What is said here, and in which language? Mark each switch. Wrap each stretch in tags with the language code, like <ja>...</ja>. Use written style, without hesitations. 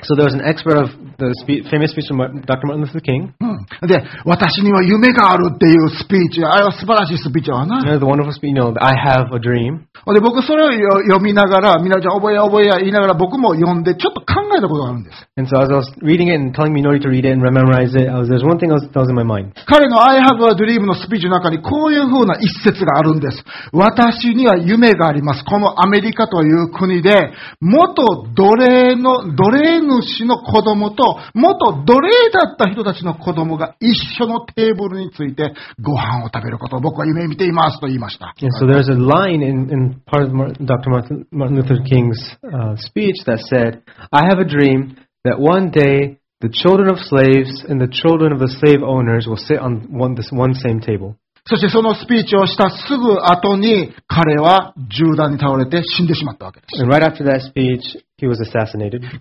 <en>So there was an expert of the famous speech from Dr. Martin Luther King.、</en> <ja>うん、で、私には夢があるっていうスピーチ、あれは素晴らしいスピーチはな。</ja> <en>Yeah, the wonderful speech, you know, I have a dream.</en> <ja>で僕それを読みながら、みのりちゃん覚えや覚えや言いながら僕も読んでちょっと考えたことがあるんです。</ja> <en>And so as I was reading it and telling みのりと read it and memorize it, there's one thing that was in my mind.</en> <ja>彼の</ja> <en>I have a dream</en> <ja>のスピーチの中にこういうふうな一節があるんです。私には夢があります。このアメリカという国で、元奴隷主の子供と、元奴隷だった人たちの子供が一緒のテーブルについてご飯を食べることを僕は夢見ていますと言いました。</ja> <en>And so there's a line in part of Dr. Martin Luther King's speech that said, I have a dream that one day the children of slaves and the children of the slave owners will sit on this one same table.</en> <ja>そしてそのスピーチをしたすぐ後に彼は銃弾に倒れて死んでしまったわけです。</ja> <en>Right after that speech, he was assassinated.</en>